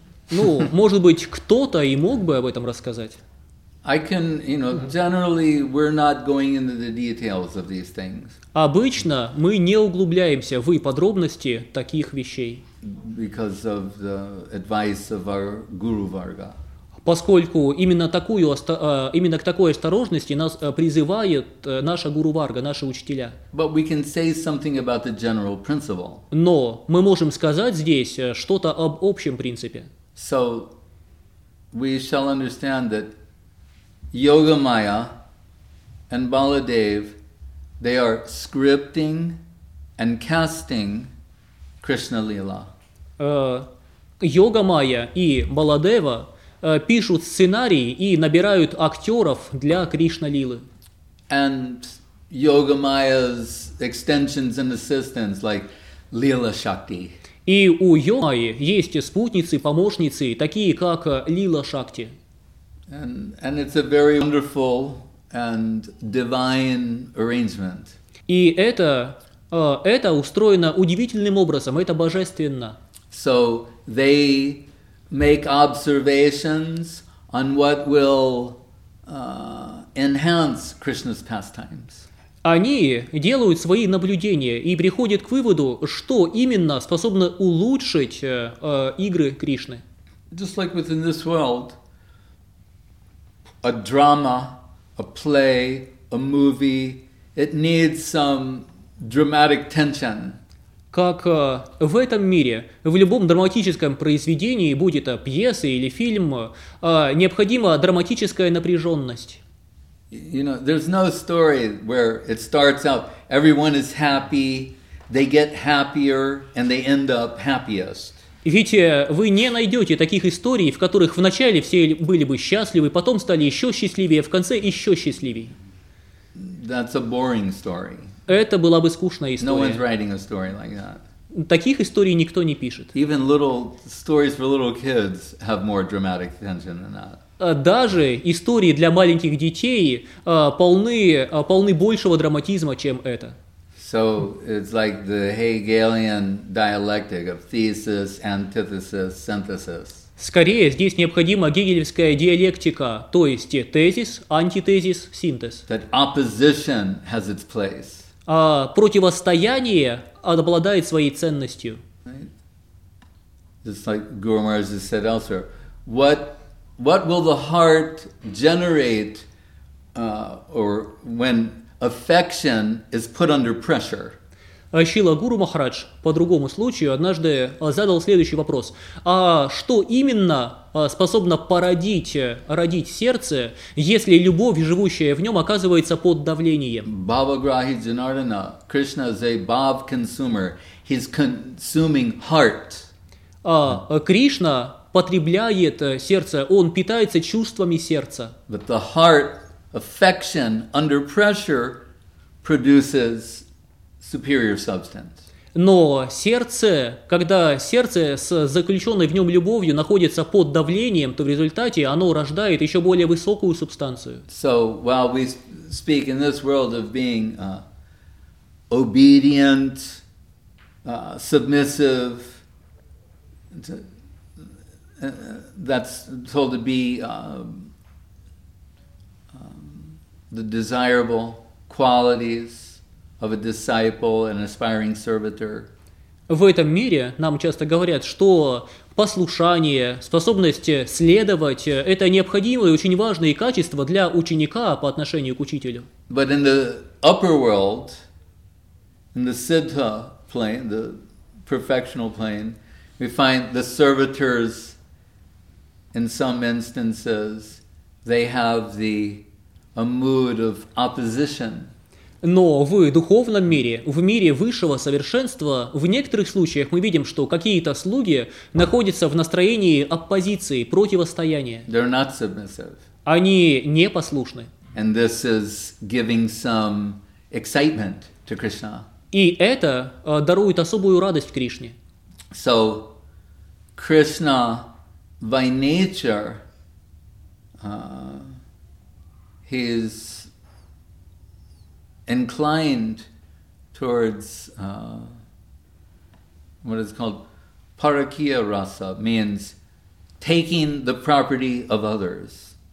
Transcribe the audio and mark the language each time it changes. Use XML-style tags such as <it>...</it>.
<ru>Ну, может быть, кто-то и мог бы об этом рассказать.</ru> <en>I can, you know, generally we're not going into the details of these things.</en> <ru>Обычно мы не углубляемся в подробности таких вещей.</ru> <en>Because of the advice of our Guru Varga.</en> <ru>Поскольку именно к такой осторожности нас призывает наша Гуру Варга, наши учителя.</ru> <en>But we can say something about the general principle.</en> <ru>Но мы можем сказать здесь что-то об общем принципе.</ru> <en>So we shall understand that Yogamaya and Baladev, they are scripting and casting Krishna Lila.</en> <ru>Йога Майя и Баладева пишут сценарий и набирают актеров для Кришна Лилы.</ru> <en>And Yoga Maya's extensions and assistants like Lila Shakti.</en> <ru>И у Йога Майи есть спутницы, помощницы, такие как Лила Шакти.</ru> <en>And it's a very wonderful and divine arrangement.</en> <ru>И это устроено удивительным образом, это божественно.</ru> <en>So they make observations on what will enhance Krishna's pastimes.</en> <ru>Они делают свои наблюдения и приходят к выводу, что именно способно улучшить игры Кришны.</ru> <en>Just like within this world, a drama, a play, a movie, it needs some dramatic tension.</en> <ru>Как в этом мире, в любом драматическом произведении, будь это пьеса или фильм, необходима драматическая напряженность.</ru> <en>You know, there's no story where it starts out, everyone is happy, they get happier, and they end up happiest.</en> <ru>Ведь вы не найдете таких историй, в которых вначале все были бы счастливы, потом стали еще счастливее, в конце еще счастливее.</ru> <en>That's a boring story.</en> <ru>Это была бы скучная история.</ru> <en>No one's writing a story like that.</en> <ru>Таких историй никто не пишет.</ru> <en>Even little stories for little kids have more dramatic tension than that.</en> <ru>Даже истории для маленьких детей полны большего драматизма, чем это.</ru> <en>So it's like the Hegelian dialectic of thesis, antithesis, synthesis.</en> <ru>Скорее, здесь необходима гегелевская диалектика, то есть тезис, антитезис, синтез.</ru> <en>That opposition has its place.</en> <ru>А противостояние обладает своей ценностью.</ru> <en>Just like Guru Maharaj has said elsewhere, what will the heart generate or when affection is put under pressure?</en> <ru>Шрила Гуру Махарадж по другому случаю однажды задал следующий вопрос. А что именно способно родить сердце, если любовь, живущая в нем, оказывается под давлением?</ru> <en>Бхаваграхи Джанардана, Кришна is a bhav consumer. He's consuming heart.</en> <ru>Кришна потребляет сердце, он питается чувствами сердца.</ru> <en>But the heart, affection under pressure produces superior substance.</en> <ru>Но сердце, когда сердце с заключенной в нем любовью находится под давлением, то в результате оно рождает еще более высокую субстанцию.</ru> <en>So while we speak in this world of being obedient, submissive. That's told to be the desirable qualities of a disciple, an aspiring servitor.</en> <ru>В этом мире нам часто говорят, что послушание, способность следовать – это необходимые, очень важные качества для ученика по отношению к учителю.</ru> <en>But in the upper world, in the siddha plane, the perfectional plane, we find the servitors, in some instances, they have a mood of opposition.</en> <ru>Но в духовном мире, в мире высшего совершенства, в некоторых случаях мы видим, что какие-то слуги находятся в настроении оппозиции, противостояния.</ru> <en>They're not submissive.</en> <ru>Они непослушны.</ru> <en>And this is giving some excitement to Krishna.</en> <ru>И это дарует особую радость Кришне.</ru> <en>So, Krishna, by nature, he's inclined towards what is called parakiya rasa, means taking the property of others.</en>